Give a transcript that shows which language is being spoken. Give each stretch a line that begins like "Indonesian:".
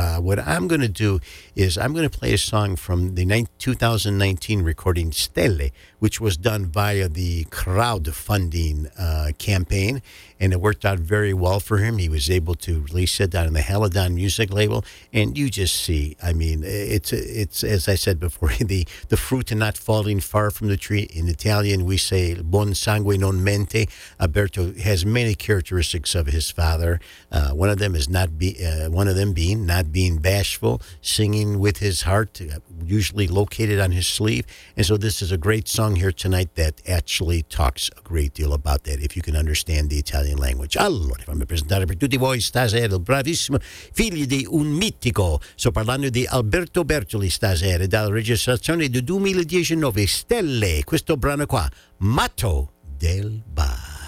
English: What I'm going to do is I'm going to play a song from the 2019 recording Stelle, which was done via the crowdfunding campaign. and it worked out very well for him. He was able to release it on the Halidon Music label, and you just see, I mean, it's as I said before, the fruit and not falling far from the tree. In Italian, we say buon sangue non mente. Alberto has many characteristics of his father. One of them being bashful, singing with his heart, usually located on his sleeve. And so this is a great song here tonight that actually talks a great deal about that, if you can understand the Italian language.
Italian: Allora, fammi presentare per tutti voi stasera il bravissimo figlio di un mitico. Sto parlando di Alberto Bertoli stasera, dalla registrazione del 2019, Stelle, questo brano qua, Matto del Bar.